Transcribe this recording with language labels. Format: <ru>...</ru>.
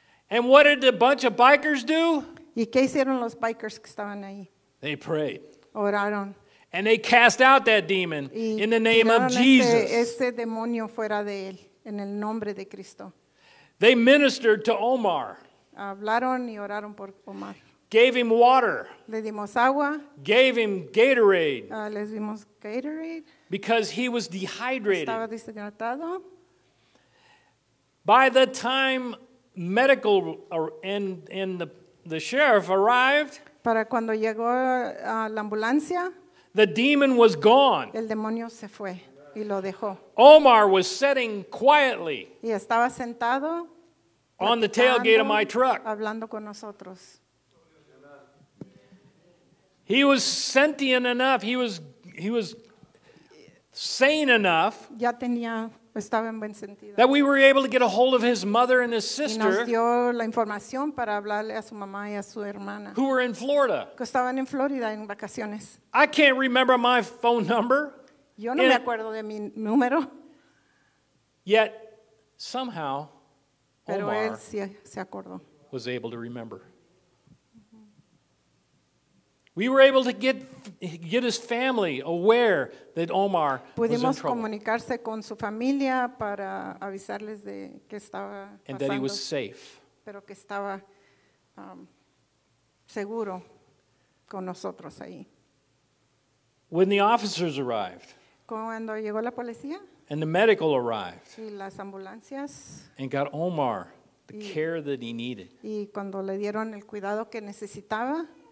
<en>And what did a bunch of bikers do?</en> <es>¿Y qué hicieron los bikers que estaban ahí?</es> <en>They prayed.</en> <es>Oraron.</es> <en>And they cast out that demon</en> <es>y</es> <en>in the name of Jesus.</en> <es>Ese demonio fuera de él, en el nombre de Cristo.</es> <en>They ministered to Omar.</en> <es>Hablaron y oraron por Omar.</es> <en>Gave him water.</en> <es>Le dimos agua.</es> <en>Gave him Gatorade.</en> <es>Les dimos Gatorade.</es> <en>Because he was dehydrated.</en> <es>Estaba deshidratado.</es> <en>By the time medical and the sheriff arrived,</en> <es>para cuando llegó la ambulancia,</es> <en>the demon was gone.</en> <es>El demonio se fue y lo dejó.</es> <en>Omar was sitting quietly.</en> <es>Y estaba sentado.</es> <en>On the tailgate of my truck.</en> <es>Hablando con nosotros.</es> <en>He was sentient enough. He was sane enough.</en> <es>Ya tenía, estaba en buen sentido.</es> <en>That we were able to get a hold of his mother and his sister.</en> <es>Y nos dio la información para hablarle a su mamá y a su hermana.</es> <en>Who were in Florida.</en> <es>Que estaban en Florida en vacaciones.</es> <en>I can't remember my phone number.</en> <es>Yo no me acuerdo de mi número.</es> <en>Yet somehow,</en> <es>pero</es> <en>Omar</en> <es>él sí, se acordó.</es> <en>Was able to remember. We were able to get his family aware that Omar</en> <es>pudimos</es> <en>was in trouble.</en> <es>Comunicarse con su familia para avisarles de que estaba</es> <en>and</en> <es>pasando,</es> <en>that he was safe.</en> <es>Pero que estaba, seguro con nosotros ahí.</es> <en>When the officers arrived,</en> <es>cuando llegó la policía,</es> <en>and the medical arrived,</en> <es>y las ambulancias,</es> <en>and got Omar the care that he needed,</en> <es>y cuando le dieron el cuidado que necesitaba,</es>